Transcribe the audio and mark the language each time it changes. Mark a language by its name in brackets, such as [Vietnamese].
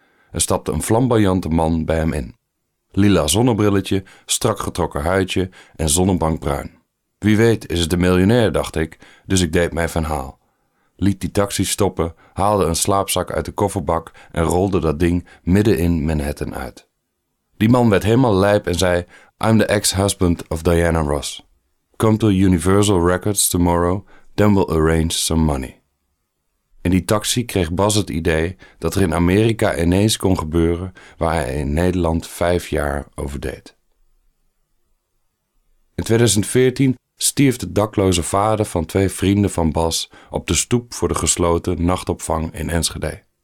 [Dutch] Er stapte een flamboyante man bij hem in. Lila zonnebrilletje, strak getrokken huidje en zonnebankbruin. Wie weet is het de miljonair, dacht ik, dus ik deed mijn verhaal. Liet die taxi stoppen, haalde een slaapzak uit de kofferbak en rolde dat ding midden in Manhattan uit. Die man werd helemaal lijp en zei, [English] I'm the ex-husband of Diana Ross. Come to Universal Records tomorrow, then we'll arrange some money. [Dutch] In die taxi kreeg Bas het idee dat er in Amerika ineens kon gebeuren waar hij in Nederland 5 jaar over deed. In 2014 stierf de dakloze vader van 2 vrienden van Bas op de stoep voor de gesloten nachtopvang in Enschede.